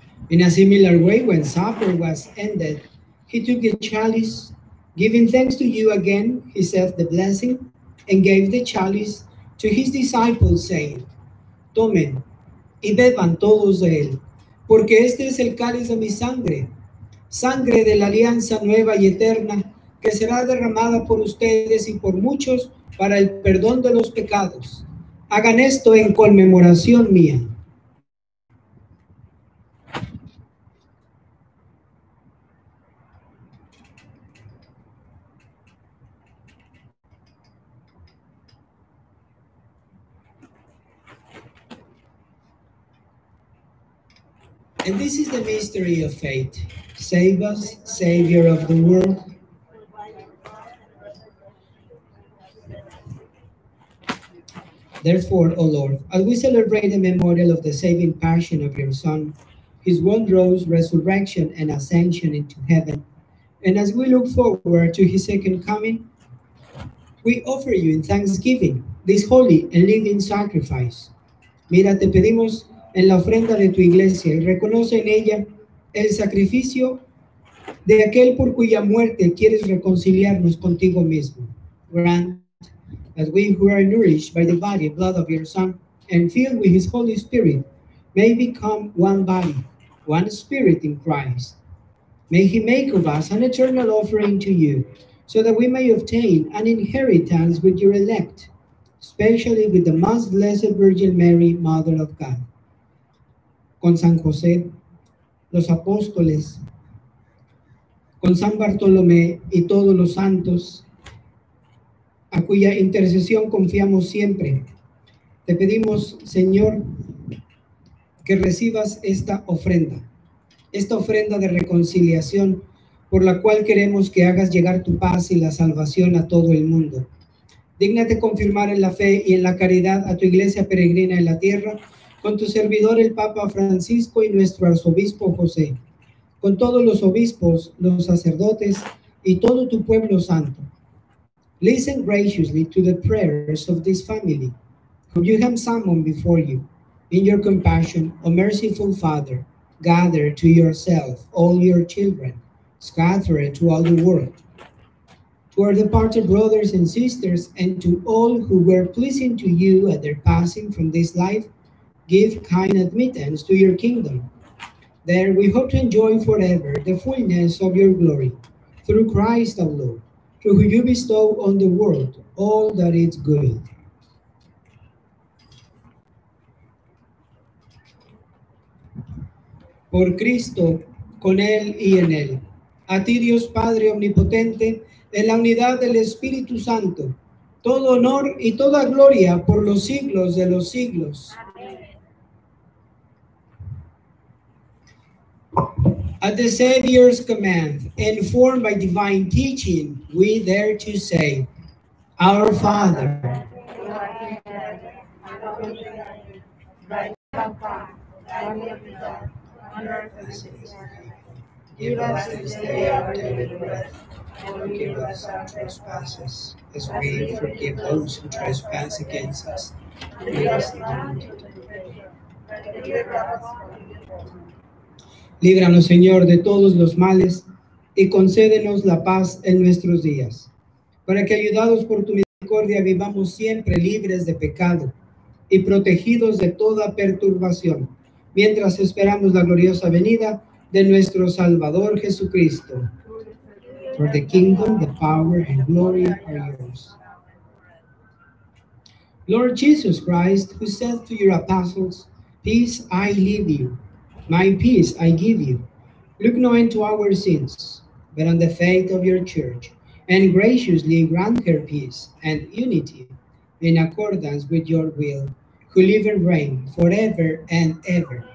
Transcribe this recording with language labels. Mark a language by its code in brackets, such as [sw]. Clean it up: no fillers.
[en] In a similar way, when supper was ended, he took the chalice, giving thanks to you again, he said the blessing, and gave the chalice to his disciples, saying, [es] tomen y beban todos de él, porque este es el cáliz de mi sangre, sangre de la alianza nueva y eterna, que será derramada por ustedes y por muchos para el perdón de los pecados. Hagan esto en conmemoración mía. [en] And this is the mystery of faith. Save us, Savior of the world. Therefore, O Lord, as we celebrate the memorial of the saving passion of your Son, his wondrous resurrection and ascension into heaven, and as we look forward to his second coming, we offer you in thanksgiving this holy and living sacrifice. [es] Mira, te pedimos en la ofrenda de tu iglesia y reconoce en ella el sacrificio de aquel por cuya muerte quieres reconciliarnos contigo mismo. [en] Grant that we who are nourished by the body and blood of your Son and filled with his Holy Spirit may become one body, one spirit in Christ. May he make of us an eternal offering to you so that we may obtain an inheritance with your elect, especially with the most blessed Virgin Mary, Mother of God, [es] con San José, los apóstoles, con San Bartolomé y todos los santos, a cuya intercesión confiamos siempre. Te pedimos, Señor, que recibas esta ofrenda de reconciliación, por la cual queremos que hagas llegar tu paz y la salvación a todo el mundo. Dígnate confirmar en la fe y en la caridad a tu iglesia peregrina en la tierra, con tu servidor el Papa Francisco y nuestro arzobispo José, con todos los obispos, los sacerdotes y todo tu pueblo santo. [en] Listen graciously to the prayers of this family, whom you have summoned before you. In your compassion, O merciful Father, gather to yourself all your children, scattered to all the world. To our departed brothers and sisters, and to all who were pleasing to you at their passing from this life, give kind admittance to your kingdom. There we hope to enjoy forever the fullness of your glory, through Christ our Lord, through whom you bestow on the world all that is good. [es] Por Cristo, con él y en él, a ti Dios Padre omnipotente, en la unidad del Espíritu Santo, todo honor y toda gloria por los siglos de los siglos. [en] At the Savior's command, informed by divine teaching, we dare to say, Our Father, give us this day our daily bread, and forgive us our trespasses, as we forgive those who trespass against us. Lead us not into temptation. [es] Líbranos, Señor, de todos los males y concédenos la paz en nuestros días, para que, ayudados por tu misericordia, vivamos siempre libres de pecado y protegidos de toda perturbación, mientras esperamos la gloriosa venida de nuestro Salvador Jesucristo. [en] For the kingdom, the power, and glory are yours. Lord Jesus Christ, who said to your apostles, Peace I leave you, my peace I give you. Look not into our sins, but on the faith of your church, and graciously grant her peace and unity in accordance with your will, who live and reign forever and ever.